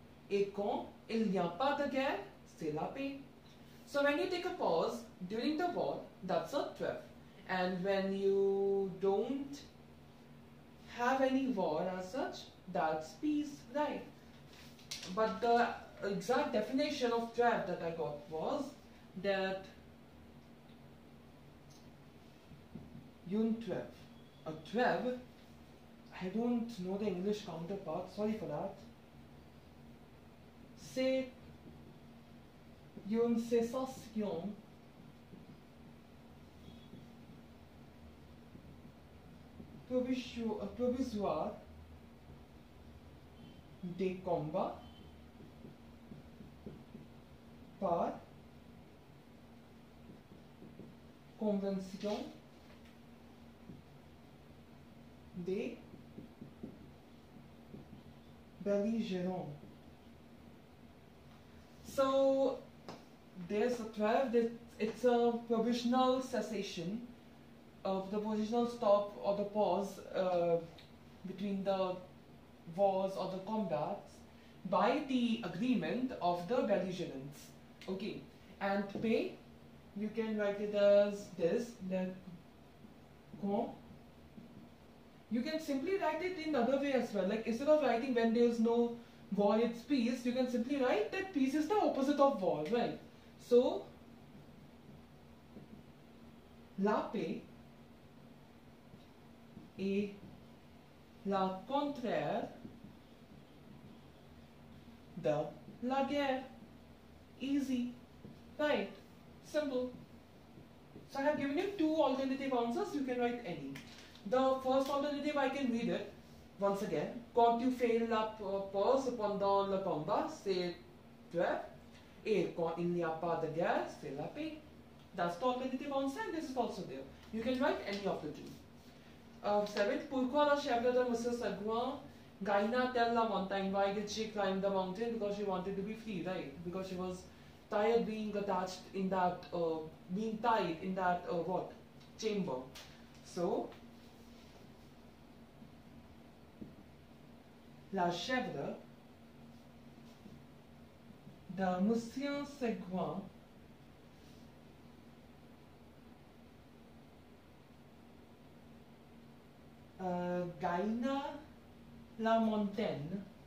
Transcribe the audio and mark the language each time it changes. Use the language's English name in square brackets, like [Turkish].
[French] Et quand il n'y a pas de guerre, c'est la paix. [English] So when you take a pause during the war, that's a trêve. And when you don't have any war as such, that's peace, right? But the exact definition of trêve that I got was that une trêve. A trêve, I don't know the English counterpart, sorry for that. [French] C'est une cessation provisoire des combats par convention des belligérants. [English] So there's a 12, it's a provisional cessation of the provisional stop or the pause between the wars or the combats by the agreement of the belligerents. Okay, and pay, you can write it as this, the con. You can simply write it in another way as well. Like instead of writing when there is no war, it's peace, you can simply write that peace is the opposite of war, right? [French] So, la paix est la contraire de la guerre. [English] Easy, right? Simple. So I have given you two alternative answers, you can write any. The first alternative, I can read it once again. [French] Quand tu fais la pause pendant le combat, c'est trêve. Et quand il n'y a pas de guerre, c'est la paix. [English] That's the alternative answer, and this is also there. You can write any of the two. Seventh, [French] pourquoi la chèvre de Mrs. Sagouin gagna-t-elle la montagne? [English] Why did she climb the mountain? Because she wanted to be free, right? Because she was tired being attached in that, being tied in that, what? Chamber. [French] So, la chèvre de Monsieur Seguin gagna la montagne